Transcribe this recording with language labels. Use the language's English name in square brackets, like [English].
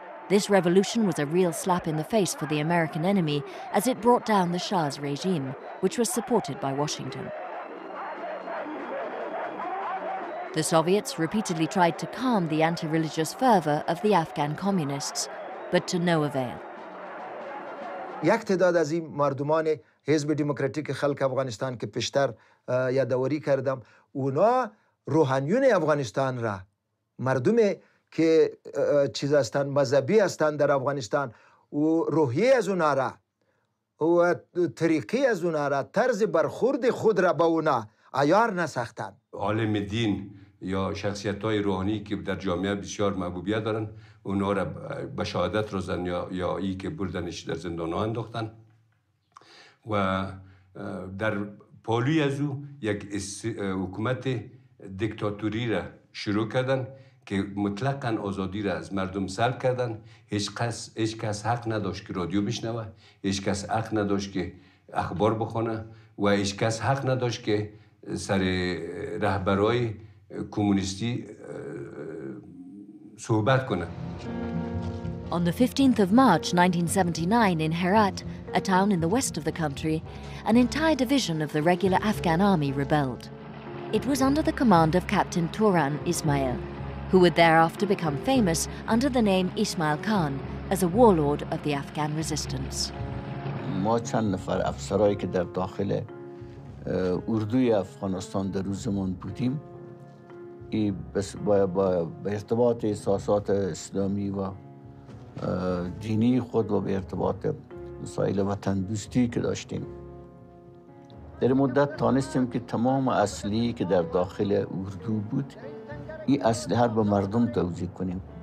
[English] This revolution was a real slap in the face for the American enemy as it brought down the Shah's regime, which was supported by Washington. The Soviets repeatedly tried to calm the anti-religious fervor of the Afghan communists, but to no avail. [Persian] یک تعداد از این مردمان حزب دموکراتیک خلق افغانستان که پیشتر یادآوری کردم اونا روحانیون افغانستان را مردم که چیز هستن مذهبی هستن در افغانستان و روحیه از اونا را و طریقی از اونا را طرز برخورد خود را با اونا عیار نساختن عالم دین یا شخصیت های روحانی که در جامعه بسیار محبوبیت دارن اونا را به شهادت رسوندن یا ای که بردنش در زندان ها انداختن و در پالوی از او یک حکومت دیکتاتوری را شروع کردن که مطلقاً آزادی را از مردم سلب کردن. هیچ کس حق نداشت که رادیو بشنوه، هیچ کس حق نداشت که اخبار بخونه و هیچ کس حق نداشت که سر رهبرای کمونیستی صحبت کنه. [English] On the 15th of March 1979 in Herat, a town in the west of the country, an entire division of the regular Afghan army rebelled. It was under the command of Captain Turan Ismail, who would thereafter become famous under the name Ismail Khan as a warlord of the Afghan resistance. [Persian] ما چند نفر افسرایی که در داخل اردوی افغانستان در روزمون بودیم ای بس با ارتباط احساسات اسلامی و دینی خود و به ارتباط مسائل وطن دوستی که داشتیم در مدت تانستیم که تمام اصلی که در داخل اردو بود ای اسلحه رو به مردم توضیح کنیم.